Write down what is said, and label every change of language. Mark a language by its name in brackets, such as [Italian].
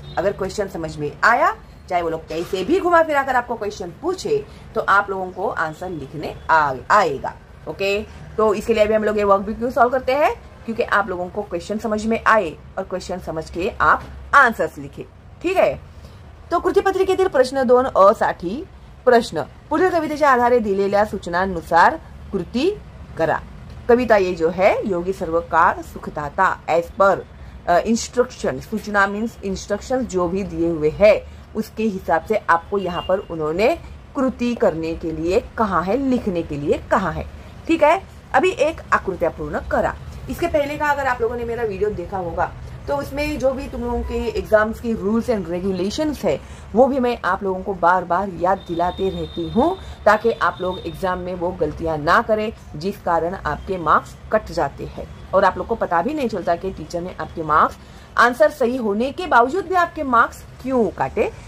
[Hindi] अगर क्वेश्चन समझ में आया, चाहे वो लोग कैसे भी घुमा फिरा कर आपको क्वेश्चन पूछे, तो आप लोगों को आंसर लिखने आएगा। ओके, तो इसके लिए अभी हम लोग ये वर्कबुक क्यों सॉल्व करते हैं, क्योंकि आप लोगों को क्वेश्चन समझ में आए और क्वेश्चन समझ के आप आंसर्स लिखे। ठीक है, तो [Marathi] कृतीपत्रिकेतील प्रश्न दोन अ साठी प्रश्न, पुढील कवितेच्या आधारे दिलेल्या सूचनांनुसार कृती करा। [Hindi] कविता ये जो है [Marathi] योगी सर्व काळ सुखदाता, [Hindi] एज पर इंस्ट्रक्शन, सूचना मीन्स इंस्ट्रक्शन जो भी दिए हुए है उसके हिसाब से आपको यहाँ पर उन्होंने कृति करने के लिए कहा है, लिखने के लिए कहा है। ठीक है, अभी एक [Marathi] आकृतियां पूर्ण करा। [Hindi] इसके पहले का अगर आप लोगों ने मेरा वीडियो देखा होगा, तो उसमें जो भी तुम लोगों के एग्जाम्स की रूल्स एंड रेगुलेशंस है, वो भी मैं आप लोगों को बार बार याद दिलाते रहती हूँ, ताकि आप लोग एग्जाम में वो गलतियां ना करें जिस कारण आपके मार्क्स कट जाते हैं, और आप लोग को पता भी नहीं चलता कि टीचर ने आपके मार्क्स, आंसर सही होने के बावजूद भी आपके मार्क्स क्यों काटे।